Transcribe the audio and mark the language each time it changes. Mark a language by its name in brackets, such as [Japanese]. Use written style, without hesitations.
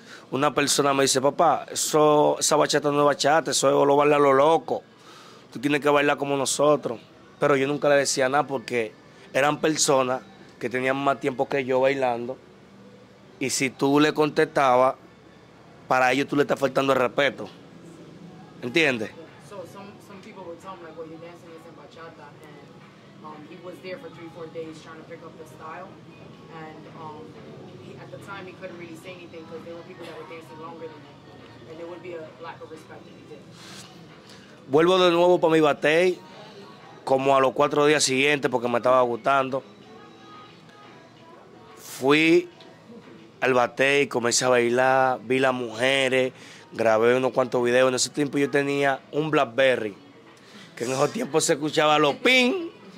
[Spanish] Una persona me dice, papá, esa bachata no es bachata, eso lo baila lo loco. Tú tienes que bailar como nosotros. Pero yo nunca le decía nada porque eran personas que tenían más tiempo que yo bailando. Y si tú le contestabas, para ellos tú le estás faltando el respeto. ¿Entiendes? [English] So some people would tell me like, well, you're dancing isn't bachata. And he was there for 3-4 days trying to pick up the style. And at the time, he couldn't really say anything because there were people that were dancing longer than him. And there would be a lack of respect if he did. [Spanish] Vuelvo de nuevo para mi batey, como a los 4 días siguientes, porque me estaba gustando. Fui al bate y comencé a bailar, vi las mujeres, grabé unos cuantos videos. En ese tiempo yo tenía un BlackBerry, que en esos tiempos se escuchaba los ping.